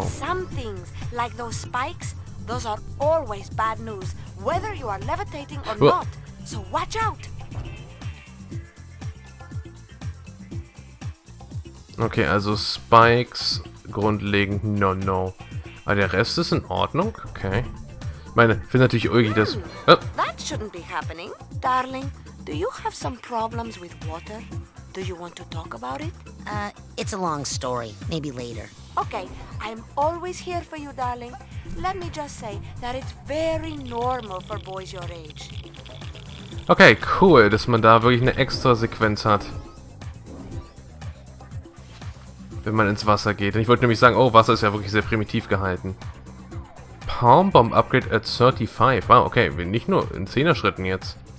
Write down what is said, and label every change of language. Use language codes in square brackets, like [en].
[en] But some things, like those spikes, those are always bad news, whether you are levitating or not. So watch out. [de] Okay, also Spikes grundlegend no. Aber der Rest ist in Ordnung, okay. Meine, finde natürlich irgendwie das. [en] That shouldn't be happening, darling. Do you have some problems with water? Do you want to talk about it? It's a long story. Maybe later. Okay, I'm always here for you, darling. Let me just say that it's very normal for boys your age. [de] Okay, cool, dass man da wirklich eine extra Sequenz hat. Wenn man ins Wasser geht. Und ich wollte nämlich sagen, oh, Wasser ist ja wirklich sehr primitiv gehalten. [en] Palm Bomb Upgrade at 35. [de] Wow, okay, wir nicht nur in 10er Schritten jetzt.